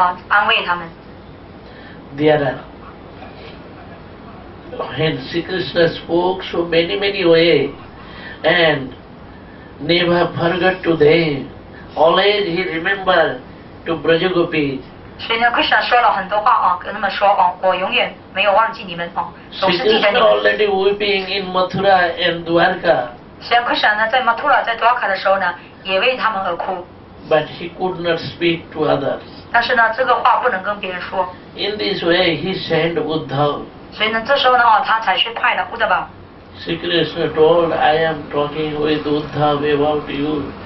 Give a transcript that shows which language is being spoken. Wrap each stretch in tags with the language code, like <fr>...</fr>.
<zh>啊，安慰他们。</zh> <en>There, when Sri Krishna spoke so many many way, and never forgot to them, always he remember to Brajagopis.</en> <zh>所以呢 ，Krishna 说了很多话啊，跟他们说啊，我永远没有忘记你们啊，总是记得你们。</zh> <en>Krishna already weeping in Mathura and Dwarka.</en> <zh>所以 Krishna 呢，在 Mathura 在 Dwarka 的时候呢，也为他们而哭。</zh> <en>But he could not speak to others.</en> <zh>但是呢，这个话不能跟别人说。</zh> <en>In this way, he sent Uddhav.</en> <zh>所以呢，这时候呢，哦，他才去派的 Uddhav。</zh> <en>Sri Krishna told, I am talking with Uddhav about you.</en>